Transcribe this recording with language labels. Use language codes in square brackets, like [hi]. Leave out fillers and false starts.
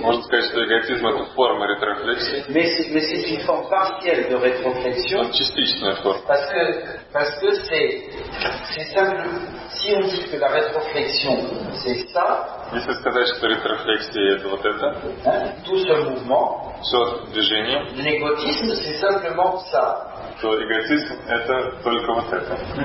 [ru] Можно сказать, что эгоизм это форма ретрофлексии. [fr] Mais c'est une forme partielle de rétroflexion. [ru] Частичная форма. [fr] Parce que c'est simple. Si on dit que la rétroflexion c'est ça. [ru] Если сказать, что ретрофлексия это вот это. [fr] Tout ce mouvement. [ru] Все движение. [fr] L'égotisme c'est simplement ça. [ru] То эгоизм это только вот это.